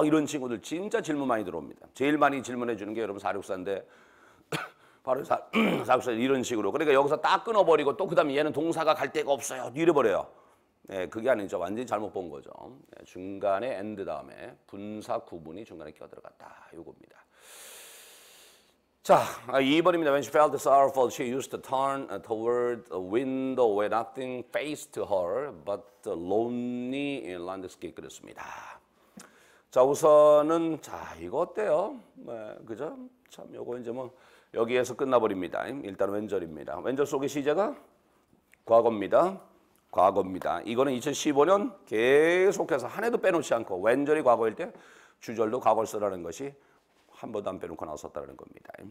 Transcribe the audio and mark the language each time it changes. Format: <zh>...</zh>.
<ko>이런 친구들 진짜 질문 많이 들어옵니다. 제일 많이 질문해 주는 게 여러분 464인데 바로 464 이런 식으로. 그러니까 여기서 딱 끊어버리고 또 그 다음에 얘는 동사가 갈 데가 없어요. 잃어버려요. 네, 그게 아니죠. 완전히 잘못 본 거죠. 네, 중간에 and 다음에 분사 구분이 중간에 끼어 들어갔다. 요겁니다. 자, 2번입니다.</ko> <en>When she felt sorrowful, she used to turn toward a window where nothing faced her but the lonely landscape</en> <ko>그랬습니다. 자, 우선은 자, 이거 어때요? 네, 그죠? 참 요거 이제 뭐 여기에서 끝나 버립니다. 일단 왼절입니다. 왼절 속의 시제가 과거입니다. 과거입니다. 이거는 2015년 계속해서 한 해도 빼놓지 않고 왼절이 과거일 때 주절도 과거를 쓰라는 것이 한 번도 안 빼놓고 나왔었다는 겁니다.</ko>